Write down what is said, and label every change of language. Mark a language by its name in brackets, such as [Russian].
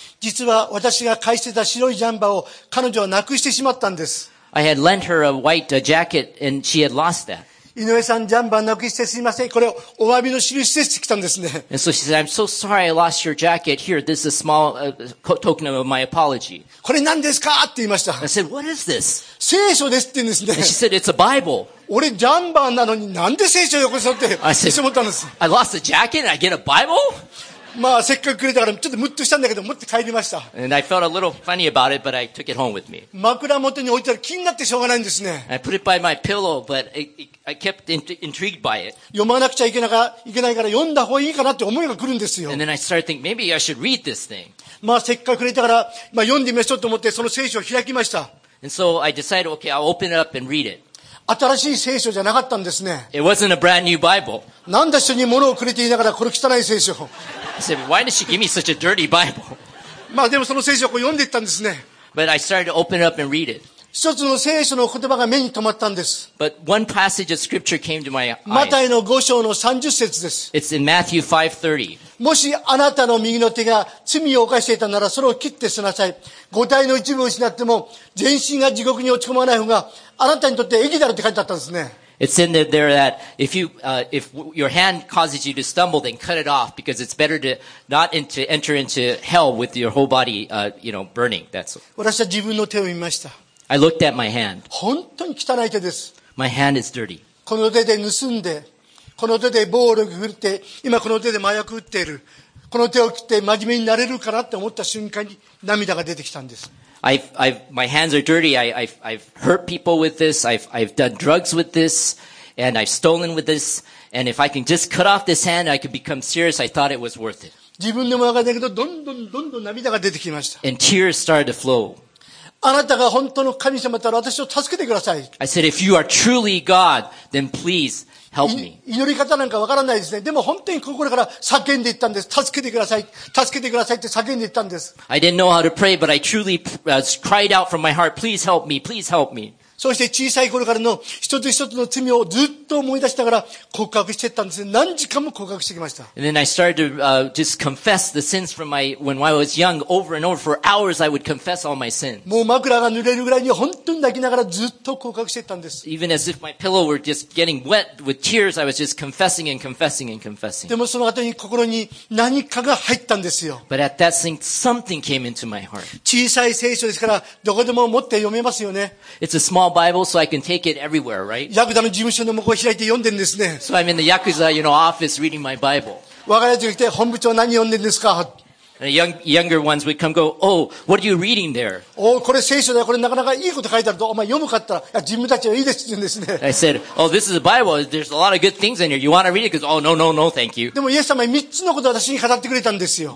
[Japanese] 実は私が返してた白いジャンバーを彼女はなくしてしまったんです。 [English] I had lent her a white jacket, and she had lost that. [Japanese] 井上さん、ジャンバーなくしてすみません。これをお詫びの印でしてきたんですね。 [English] And so she said, I'm so sorry I lost your jacket. Here, this is a small, token of my apology. [Japanese] これ何ですかって言いました。 [English] I said, what is this? [Japanese] 聖書ですって言うんですね。 [English] And she said, it's a Bible. [Japanese] 俺ジャンバーなのになんで聖書をよこそって思ったんです。 [English] I lost a jacket and I get a Bible? [Japanese] まあせっかくくれたからちょっとムッとしたんだけど持って帰りました。 [English] And I felt a little funny about it, but I took it home with me. [Japanese] 枕元に置いたら気になってしょうがないんですね。 [English] I put it by my pillow, but I kept intrigued by it. [Japanese] 読まなくちゃいけないから読んだ方がいいかなって思いが来るんですよ。 [English] And then I started thinking, maybe I should read this thing. [Japanese] まあせっかくくれたから、まあ読んでみましょうと思って、その聖書を開きました。 [English] And so I decided, okay, I'll open it up and read it. [Japanese] 新しい聖書じゃなかったんですね。 [English] It wasn't a brand new Bible. [Japanese] なんだ人に物をくれていながら、この汚い聖書。 [English] I said, why did she give me such a dirty Bible? [Japanese] まあでもその聖書をこう読んでいったんですね。 [English] But I started to open it up and read it. [Japanese] 一つの聖書の言葉が目に留まったんです。 [English] But one passage of scripture came to my eyes. [Japanese] マタイの5章の30節です。 [English] It's in Matthew 5:30. [Japanese] もしあなたの右の手が罪を犯していたならそれを切って捨てなさい。五体の一部を失っても全身が地獄に落ち込まない方があなたにとって益だろって書いてあったんですね。 [English] It's in there, there that if you, if your hand causes you to stumble, then cut it off because it's better to not into, enter into hell with your whole body, you know, burning. That's. [Japanese] 私は自分の手を見ました。 [English] I looked at my hand. [Japanese] 本当に汚い手です。 [English] My hand is dirty. [Japanese] この手で盗んで、この手で暴力振って、今この手で麻薬打っている。この手を切って真面目になれるからって思った瞬間に涙が出てきたんです。 [English] My hands are dirty. I've hurt people with this. I've done drugs with this. And I've stolen with this. And if I can just cut off this hand, I could become serious. I thought it was worth it. [Japanese] 自分でもわかんないけど、どんどんどんどん涙が出てきました。 [English] And tears started to flow. [Japanese] あなたが本当の神様だったら私を助けてください。 [English] I said, if you are truly God, then please,Help me. [Japanese] 祈り方なんかわからないですね。でも本当に心から叫んでいったんです。助けてください。助けてくださいって叫んでいったんです。 [English] I didn't know how to pray, but I truly cried out from my heart, please help me, please help me. [Japanese] そして小さい頃からの一つ一つの罪をずっと思い出しながら告白していったんです。何時間も告白してきました。 [English] And then I started to just confess the sins from my, when I was young, over and over, for hours I would confess all my sins. [Japanese] もう枕が濡れるぐらいに本当に泣きながらずっと告白していったんです。 [English] Even as if my pillow were just getting wet with tears, I was just confessing and confessing and confessing. [Japanese] でもその後に心に何かが入ったんですよ。 [English] But at that thing, something came into my heart. [Japanese] 小さい聖書ですからどこでも持って読めますよね。 [English] It's a smallBible, so I can take it everywhere, right? [Japanese] ヤクザの事務所の向こう開いて読んでんですね。 [English] So I'm in the Yakuza, you know, office reading my Bible. [Japanese] 若い人が来て本部長何読んでんですか？ [English] Younger ones would come go, oh, what are you reading there? [Japanese] Oh, これ聖書だよ。これなかなかいいこと書いてあると。お前読むかったら、いや、事務たちはいいですって言うんですね。 [English] I said, oh, this is a Bible. There's a lot of good things in here. You want to read it? Because, oh, no, no, no, thank you. [Japanese] でもイエス様は3つのことを私に語ってくれたんですよ。